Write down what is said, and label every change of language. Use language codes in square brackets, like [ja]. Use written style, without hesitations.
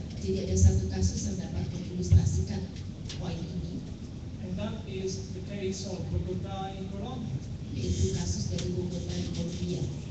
[id] Jadi ada satu kasus yang dapat mengilustrasikan poin ini. [en] And that is the case of Bogota in Colombia. [id] Itu kasus dari Bogota [en] in Colombia.